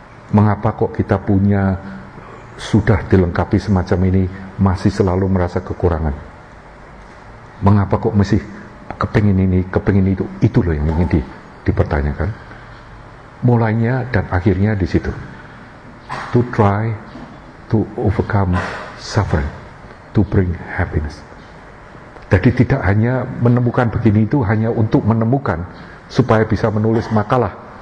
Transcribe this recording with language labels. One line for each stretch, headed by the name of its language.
Indonesian: Mengapa kok kita punya sudah dilengkapi semacam ini masih selalu merasa kekurangan? Mengapa kok masih kepingin ini, kepingin itu? Itu loh yang ingin dipertanyakan. Mulainya dan akhirnya di situ.
English: To try to overcome suffering, to bring happiness.
Indonesian: Jadi tidak hanya menemukan begini itu hanya untuk menemukan supaya bisa menulis makalah.